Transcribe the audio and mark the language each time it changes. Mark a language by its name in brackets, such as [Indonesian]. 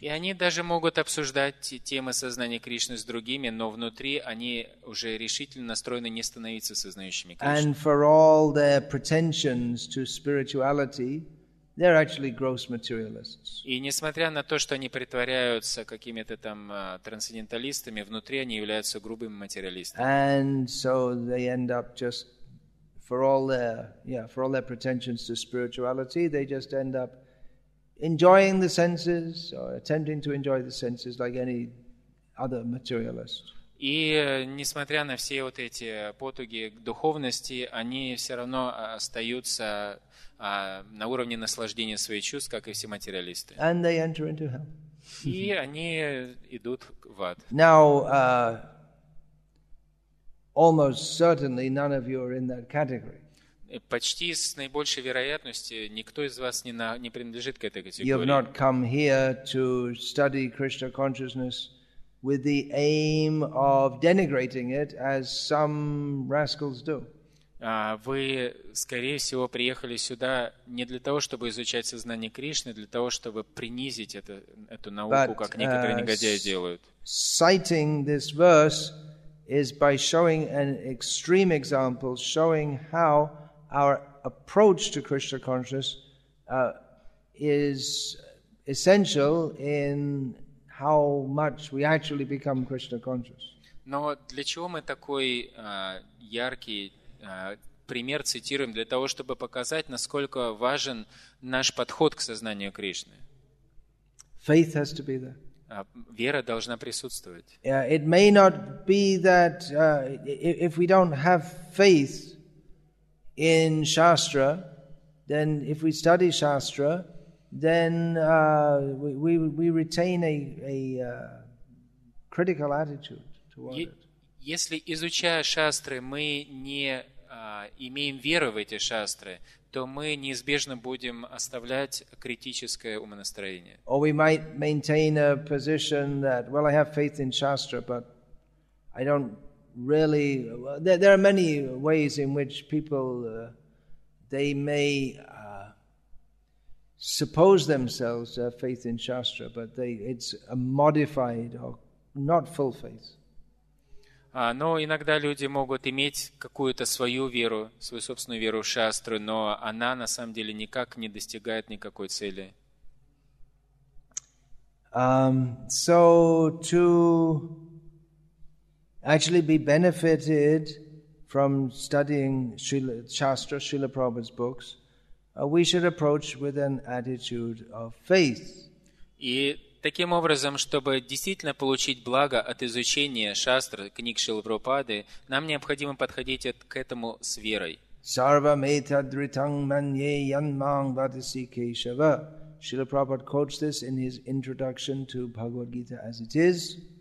[Russian] И они даже могут обсуждать темы сознания Кришны с другими, но внутри они уже решительно настроены не становиться сознающими Кришны. [English] And for all their pretensions to spirituality, they're actually gross materialists. [Russian] И несмотря на то, что они притворяются какими-то там трансценденталистами, внутри они являются грубыми материалистами. [English] And so they end up just for all their pretensions to spirituality, they just end up enjoying the senses or attempting to enjoy the senses like any other materialist. [Russian] И несмотря на все вот эти потуги к духовности, они все равно остаются на уровне наслаждения своих чувств, как и все материалисты. [English] And they enter into hell. [Russian] И они идут в ад. [English] Now, almost certainly none of you are in that category. [Russian] Почти с наибольшей вероятностью никто из вас не принадлежит к этой категории. [English] You have not come here to study Krishna consciousness with the aim of denigrating it, as some rascals do. [Russian] Вы, скорее всего, приехали сюда не для того, чтобы изучать сознание Кришны, для того, чтобы принизить эту науку, [English] but, [Russian] как некоторые негодяи делают. [English] Citing this verse is by showing an extreme example, showing how our approach to Krishna consciousness is essential in how much we actually become Krishna conscious. [Russian] Но для чего мы такой яркий пример цитируем? Для того, чтобы показать, насколько важен наш подход к сознанию Кришны. [English] Faith has to be there. [Russian] Вера должна присутствовать. [English] It may not be that if we don't have faith in Shastra, then if we study Shastra, then we retain a critical attitude toward it. [Russian] Если изучая Шастры, мы не имеем веру в эти Шастры, то мы неизбежно будем оставлять критическое умонастроение. [English] Or we might maintain a position that, well, I have faith in Shastra, but I don't really... There are many ways in which people, they may suppose themselves to have faith in Shastra, but it's a modified or not full faith. [Russian] Но иногда люди могут иметь какую-то свою веру, свою собственную веру в Шастру, но она на самом деле никак не достигает никакой цели. [English] So to actually be benefited from studying Srila Prabhupada's books, we should approach with an attitude of faith. [Russian] Таким образом, чтобы действительно получить благо от изучения шастр, книг Шрилы Прабхупады, нам необходимо подходить к этому с верой. [Sanskrit] Sarva metha dhritang manye yanmang vadasi keshava. [Russian] Шрила Прабхупада [English] quotes this in his introduction to Bhagavad Gita as it is.